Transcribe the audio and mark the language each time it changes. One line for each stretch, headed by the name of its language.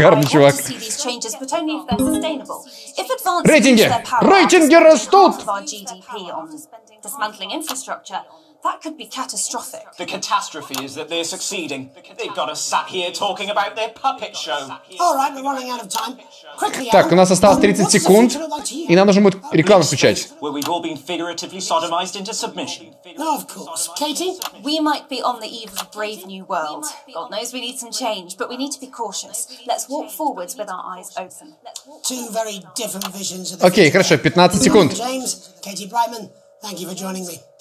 English: I want to see these changes, but only if they're sustainable. If advances reach their power,
Russian: рейтинги растут.
English: Our GDP on dismantling infrastructure. That could be catastrophic. The catastrophe is that they're succeeding. They've got us sat here talking about their puppet show. All right, we're running out of time.
Russian: Так, у нас осталось 30 секунд, и нам нужно будет рекламу включать.
English: Where we've all been figuratively sodomized into submission. No, of course. Katie? We might be on the eve of a brave new world. God knows we need some change, but we need to be cautious. Let's walk forwards with our eyes open. Two very different visions of the Okay,
Russian: хорошо, 15 секунд.
English: James, Katie Brightman, thank you for joining me.